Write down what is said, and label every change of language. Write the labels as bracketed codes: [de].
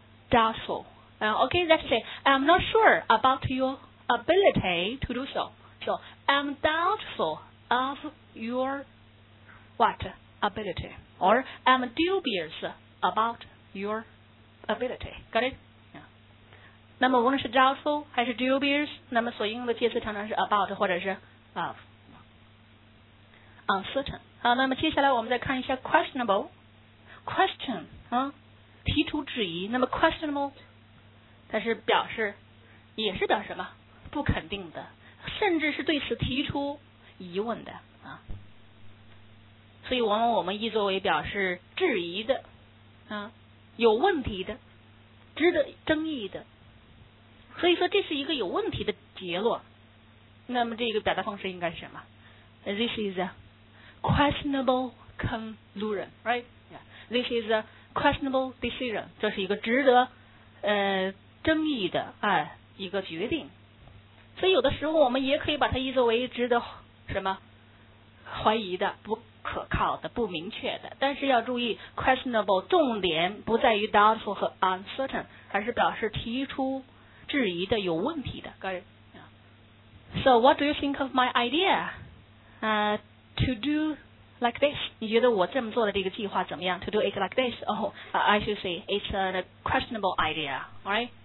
[en] doubtful OK let's say I'm not sure about your ability to do so so I'm doubtful of your what ability or I'm dubious about your ability got it yeah [zh] 那么无论是 doubtful 还是 dubious 那么所应用的介词常常是 about 或者是 [en] ofUncertain. [zh] 好，那么接下来我们再看一下 questionable. Question, 提出质疑。那么 questionable, 它是表示，也是表示什么？不肯定的，甚至是对此提出疑问的啊。所以往往我们译作为表示质疑的，有问题的，值得争议的。所以说这是一个有问题的结论。那么这个表达方式应该是什么 ？ [en] This is a,questionable conclusion, right? Yeah. This is a questionable decision. [zh] 这是一个值得争议的一个决定。所以有的时候我们也可以把它译作为值得什么怀疑的、不可靠的、不明确的。但是要注意 ，questionable 重点不在于 doubtful 和 uncertain， 而是表示提出质疑的、有问题的。 [en] Got it? Yeah. So what do you think of my idea? To do like this, [zh] 你觉得我这么做的这个计划怎么样 [en] ？To do it like this, I should say it's a questionable idea, right?